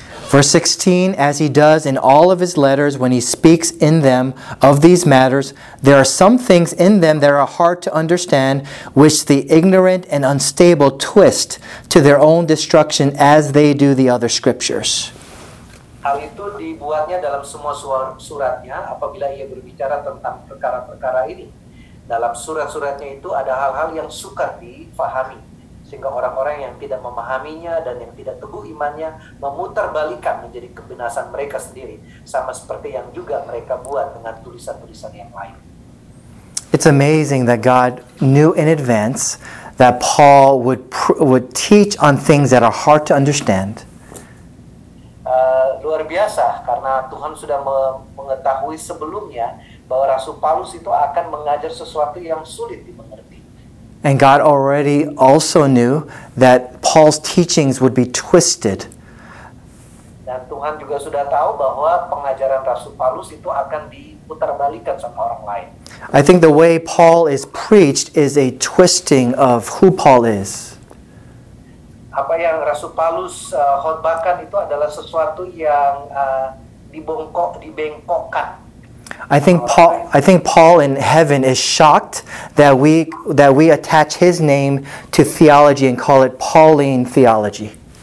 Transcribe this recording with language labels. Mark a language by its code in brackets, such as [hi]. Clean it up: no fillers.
[en] Verse 16, as he does in all of his letters when he speaks in them of these matters, there are some things in them that are hard to understand, which the ignorant and unstable twist to their own destruction as they do the other scriptures. [id] Hal itu dibuatnya dalam semua suratnya apabila ia berbicara tentang perkara-perkara ini. Dalam surat-suratnya itu ada hal-hal yang sukar difahami, sehingga orang-orang yang tidak memahaminya dan yang tidak teguh imannya memutarbalikkan menjadi kebinasan mereka sendiri, sama seperti yang juga mereka buat dengan tulisan-tulisan yang lain. [en] It's amazing that God knew in advance that Paul would teach on things that are hard to understand. [id] Luar biasa, karena Tuhan sudah mengetahui sebelumnya bahwa Rasul Paulus itu akan mengajar sesuatu yang sulit dimengerti. [en] And God already also knew that Paul's teachings would be twisted. [id] Dan Tuhan juga sudah tahu bahwa pengajaran Rasul Paulus itu akan diputarbalikkan sama orang lain. [en] I think the way Paul is preached is a twisting of who Paul is. [id] Apa yang Rasul Paulus khotbahkan itu adalah sesuatu yang dibengkokkan. [en] I think Paul in heaven is shocked that we attach his name to theology and call it Pauline theology.